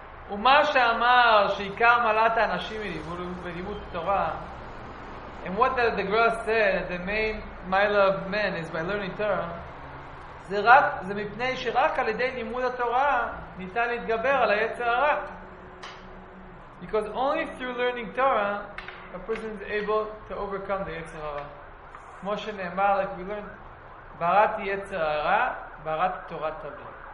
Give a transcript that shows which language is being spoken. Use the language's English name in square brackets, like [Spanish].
[Hebrew] ומה שאמר שעיקר מעלת האנשים בלימוד תורה, [English] and what the girl said, the main mile of men is by learning Torah, [Hebrew] זה מפני שרק על ידי לימוד התורה ניתן להתגבר על היצר הרע. [English] Because only through learning Torah, a person is able to overcome the יצר הרע. [Hebrew] כמו שנאמר, [English] like we learned, [Hebrew] בראתי יצר הרע, בראתי תורת תבלין.